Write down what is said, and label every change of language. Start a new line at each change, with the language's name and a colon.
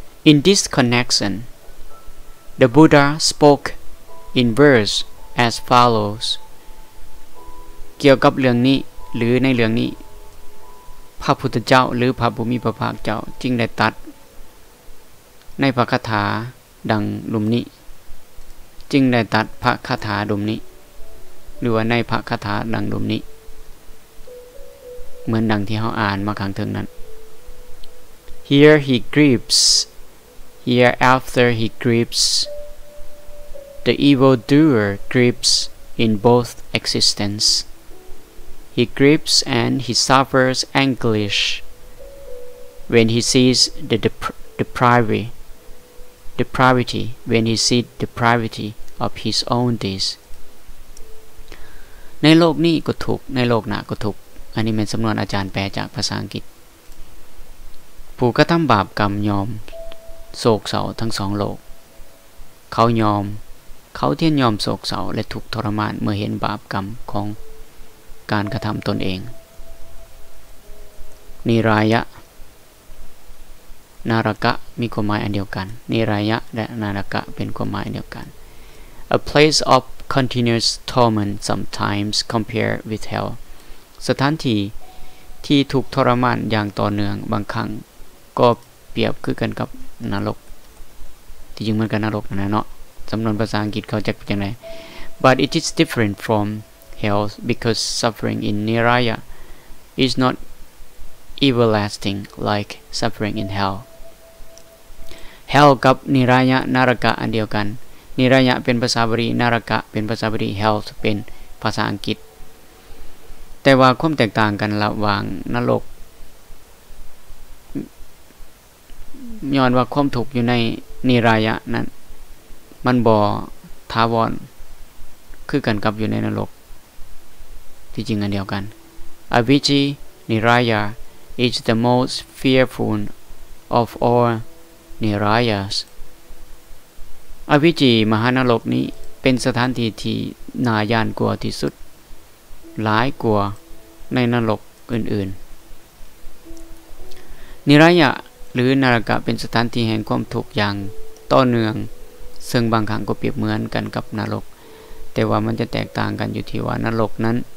English: In this connection, the Buddha spoke in verse as follows.
Thai: เกี่ยวกับเรื่องนี้หรือในเรื่องนี้พระพุทธเจ้าหรือพระภูมิพระภาคเจ้าจึงได้ตัดในพระคาถาดังลุมนี้จึงได้ตัดพระคาถาลุมนี้หรือว่าในพระคาถาดังลุมนี้เหมือนดังที่เขาอ่านมาข้างเทิงนั้น
English: Here he grieves, hereafter he grieves, the evildoer grieves in both existence. He grieves and he suffers anguish when he sees the depravity when he sees depravity of his own deeds.
Thai: ในโลกนี้ก็ทุกข์ในโลกหน้าก็ทุกข์อันนี้เป็นสำนวนอาจารย์แปลจากภาษาอังกฤษผู้กระทำบาปกรรมยอมโศกเศร้าทั้งสองโลกเขาเทียนยอมโศกเศร้าและทุกข์ทรมานเมื่อเห็นบาปกรรมของการกระทำตนเองนิรายะ นรกะมีความหมายอันเดียวกันนิรายะและนรกะเป็นความหมายเดียวกัน
English: A place of continuous torment sometimes compared with hell
Thai: สถานที่ที่ถูกทรมานอย่างต่อเนื่องบางครั้งก็เปรียบคือกันกับนรกที่จริงมันก็นรกนะเนาะสำนวนภาษาอังกฤษเขาจะเป็นยังไง
English: But it is different from hell because suffering in Niraya is not everlasting like suffering in hell.
Thai: Hell กับ Niraya นรกะอันเดียวกัน Niraya เป็นภาษาบาลีนรกะเป็นภาษาบาลี hell เป็นภาษาอังกฤษแต่ว่าความแตกต่างกันระหว่างนรกย้อนว่าความทุกข์อยู่ในนิรายะนั้นมันบ่ถาวรคือกันกับอยู่ในนรกที่จริงอันเดียวกัน
English: Avijja Niraya is the most fearful of all Nirayas
Thai: Avijja มหานรกนี้เป็นสถานที่ที่น่าย่านกลัวที่สุดหลายกลัวในนรกอื่นๆ Nirayaหรือนรกเป็นสถานที่แห่งความทุกข์อย่างต่อเนื่องซึ่งบางครั้งก็เปรียบเหมือนกันกับนรกแต่ว่ามันจะแตกต่างกันอยู่ที่ว่านรกนั้น